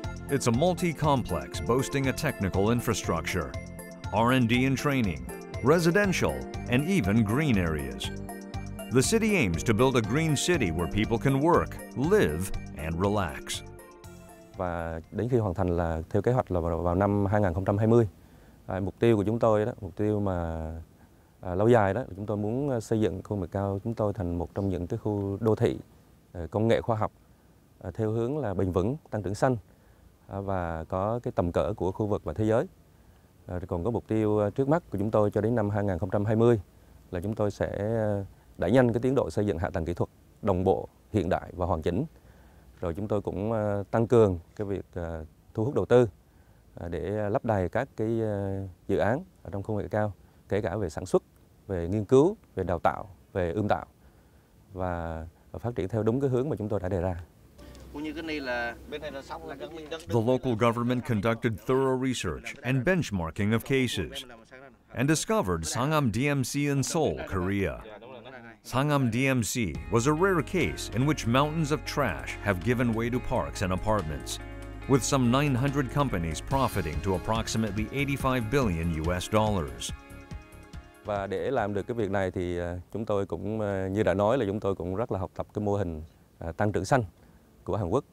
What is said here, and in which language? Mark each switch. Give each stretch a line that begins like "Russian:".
English: It's a multi-complex boasting a technical infrastructure, R&D and training, residential, and even green areas. The city aims to build a green city where people can work, live, and relax.
Vietnamese: Và đến khi hoàn thành là theo kế hoạch là vào năm 2020. Mục tiêu của chúng tôi đó, mục tiêu mà lâu dài đó, chúng tôi muốn xây dựng khu vực cao chúng tôi thành một trong những cái khu đô thị công nghệ khoa học theo hướng là bền vững, tăng trưởng xanh và có cái tầm cỡ của khu vực và thế giới. Còn có mục tiêu trước mắt của chúng tôi cho đến năm 2020 là chúng tôi sẽ đẩy nhanh cái tiến độ xây dựng hạ tầng kỹ thuật đồng bộ, hiện đại và hoàn chỉnh. Rồi chúng tôi cũng tăng cường cái việc thu hút đầu tư để lắp đầy các cái dự án ở trong công nghệ cao, kể cả về sản xuất, về nghiên cứu, về đào tạo, về ươm tạo và phát triển theo đúng cái hướng mà chúng tôi đã đề ra.
English: The local government conducted thorough research and benchmarking of cases and discovered Sangam DMC in Seoul, Korea. Sangam DMC was a rare case in which mountains of trash have given way to parks and apartments, with some 900 companies profiting to approximately 85 billion US dollars.
Vietnamese: Và để làm được cái việc này thì chúng tôi cũng như đã nói là chúng tôi cũng rất là học tập cái mô hình tăng trưởng xanh của Hàn Quốc.